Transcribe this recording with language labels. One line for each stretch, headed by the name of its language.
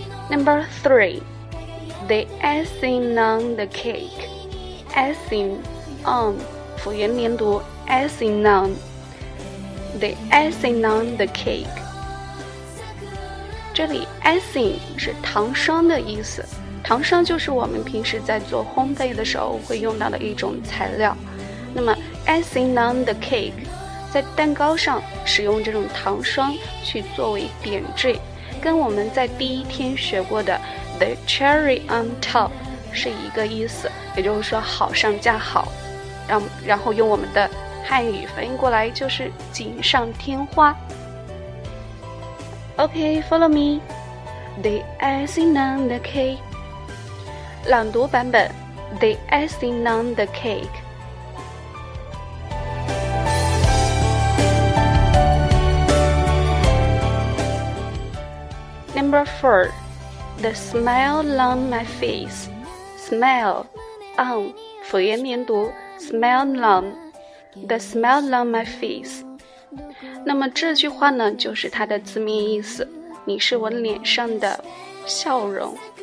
English: Number 3. The icing on the cake. Icing on,
Chinese: 辅音连读
English: icing on. The icing on the cake.
Chinese: 这里 icing 是糖霜的意思，糖霜就是我们平时在做烘焙的时候会用到的一种材料。那么
English: icing on the cake，
Chinese: 在蛋糕上使用这种糖霜去作为点缀，跟我们在第一天学过的
English: The cherry on top
Chinese: 是一个意思，也就是说好上加好，然后用我们的汉语翻译过来就是锦上添花。
English: OK, follow me. The icing on the cake.
Chinese: 朗读版本
English: The icing on the cake. Number 4. The smile on my face. Smile on,
Chinese: 辅音连读
English: smile on. The smile on my face.
Chinese: 那么这句话呢就是它的字面意思，你是我脸上的笑容。